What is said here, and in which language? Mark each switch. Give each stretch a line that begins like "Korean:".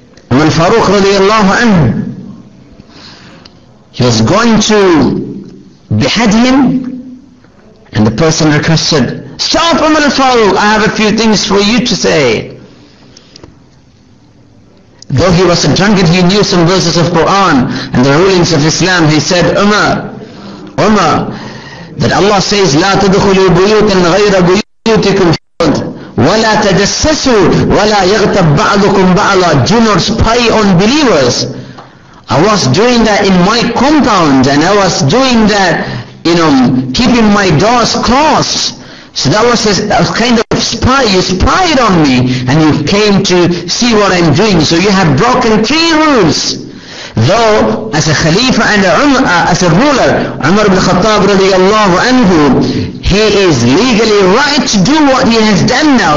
English: Umar Farooq radiallahu anhu, he was going to behead him, and the person requested, stop Umar Farooq, I have a few things for you to say. Though he was a drunkard, he knew some verses of Quran and the rulings of Islam. He said, Umar, that Allah says,
Arabic: لا تدخلوا بيوتا غير بيوتكم ولا تجسسوا ولا يغتب بعضكم بعضا.
English: Do not spy on believers. I was doing that in my compound, and I was doing that, you know, keeping my doors closed. So that was a kind of spy. You spied on me and you came to see what I'm doing. So you have broken three rules. Though as a Khalifa and as a ruler, Umar ibn Khattab radiallahu anhu, he is legally right to do what he has done now.